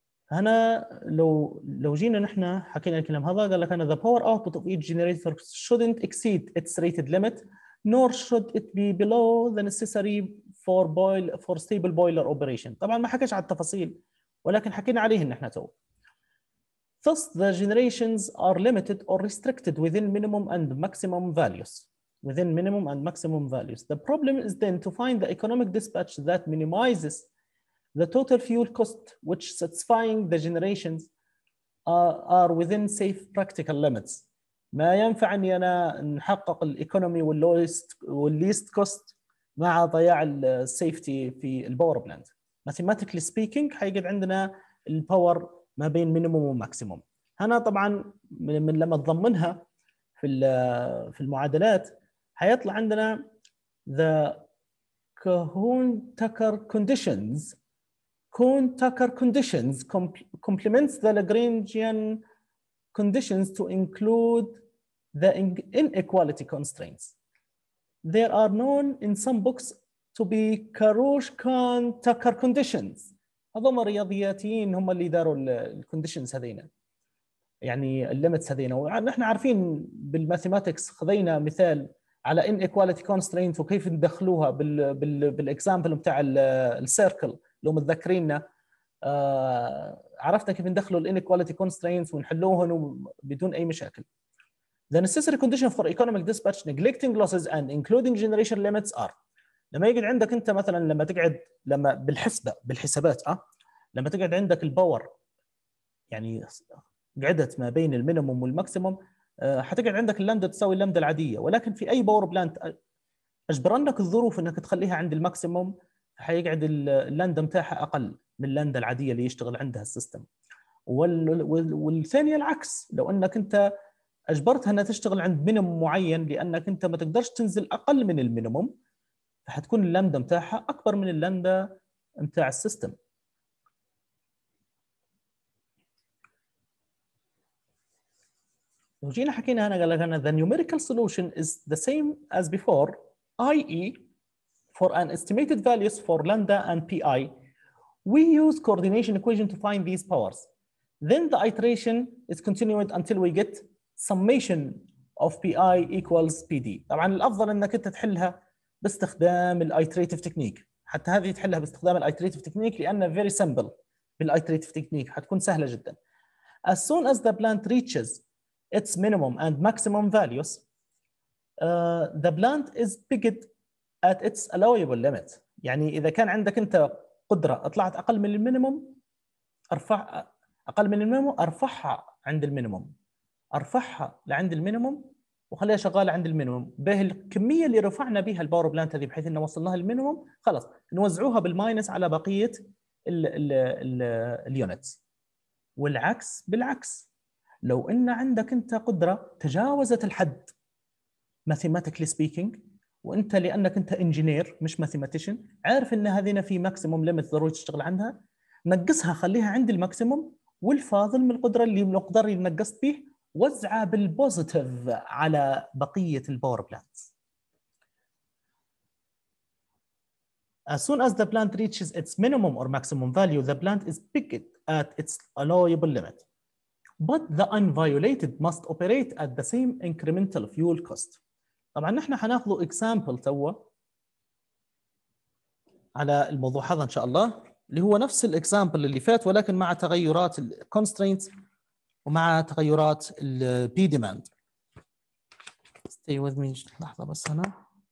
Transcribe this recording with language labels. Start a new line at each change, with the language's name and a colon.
Arabic: هنا لو جينا نحن حكينا الكلام هذا، قال لك أنا
English: the power output of each generator shouldn't exceed its rated limit nor should it be below the necessary for boil for stable boiler operation.
Arabic: طبعا ما حكيش على التفاصيل ولكن حكينا عليه نحن تو.
English: Thus the generations are limited or restricted within minimum and maximum values. Within minimum and maximum values. The problem is then to find the economic dispatch that minimizes the total fuel cost which satisfying the generations are within safe practical limits.
Arabic: ما ينفع اني انا نحقق الايكونومي واللوست والليست كوست مع ضياع السيفتي في الباور بلانت. ماثيماتيكلي سبيكينج حيقعد عندنا الباور ما بين مينيموم وماكسيموم. هنا طبعا من لما تضمنها في المعادلات حيطلع عندنا
English: the Kuhn-Tucker conditions. Kuhn-Tucker conditions complements the Lagrangian conditions to include the inequality constraints. There are known in some books to be Karush-Kuhn-Tucker conditions.
Arabic: هذوما الرياضياتيين هم اللي داروا الconditions هذين، يعني الlimits هذين. ونحن عارفين بالماثيماتكس خذينا مثال على inequality constraints وكيف ندخلوها بالexample بتاع الcircle. لو متذكريننا عرفنا كيف ندخلوا الـ inequality constraints ونحلوهن بدون أي مشاكل.
English: The necessary condition for economic dispatch neglecting losses and including generation limits are.
Arabic: لما يقعد عندك أنت مثلا لما تقعد لما بالحسبة بالحسابات لما تقعد عندك الباور يعني قعدت ما بين المينيموم والماكسيموم حتقعد عندك اللمدة تساوي اللمدة العادية، ولكن في أي باور بلانت أجبرنك الظروف أنك تخليها عند الماكسيموم حيقعد اللاندا متاحة أقل من اللاندا العادية اللي يشتغل عندها السيستم. والثانية العكس، لو أنك أنت أجبرتها أنها تشتغل عند مينيموم معين لأنك أنت ما تقدرش تنزل أقل من المينيموم، فحتكون اللاندا متاحة أكبر من اللاندا متاع السيستم. لو جينا حكينا هنا قال لك أنا
English: the numerical solution is the same as before i.e. for an estimated values for lambda and pi, we use coordination equation to find these powers. Then the iteration is continued until we get summation of pi equals pd.
Arabic: طبعا الافضل انك انت تحلها باستخدام الايتريتيف تكنيك، حتى هذه تحلها باستخدام الايتريتيف تكنيك لانها
English: very simple
Arabic: بالايتريتيف تكنيك، حتكون سهله جدا.
English: As soon as the plant reaches its minimum and maximum values, the plant is pegged at its allowable limit.
Arabic: يعني إذا كان عندك أنت قدرة أطلعت أقل من المينيموم أرفع أقل من المينيموم أرفعها عند المينيموم، أرفعها لعند المينيموم وخليها شغالة عند المينيموم به الكمية اللي رفعنا بها الباور بلانت هذه بحيث إن وصلناها المينيموم، خلاص نوزعوها بالماينس على بقية اليونتس. والعكس بالعكس، لو إن عندك أنت قدرة تجاوزت الحد
English: mathematically speaking
Arabic: وانت لانك انت انجينير مش ماثيماتيشن عارف ان هذين في ماكسيموم ليميت ضروري تشتغل عندها، نقصها خليها عند الماكسيموم والفاضل من القدره اللي مقدر ينقصت به وزعه بالبوزيتيف على بقية الباور بلانت.
English: As soon as the plant reaches its minimum or maximum value, the plant is picked at its allowable limit. But the unviolated must operate at the same incremental fuel cost.
Arabic: طبعا نحن حناخذ example توا على الموضوع هذا إن شاء الله، اللي هو نفس الإكسامبل اللي فات ولكن مع تغيرات الـ constraints ومع تغيرات الـ P demand.
English: Stay with me
Arabic: لحظة بس هنا.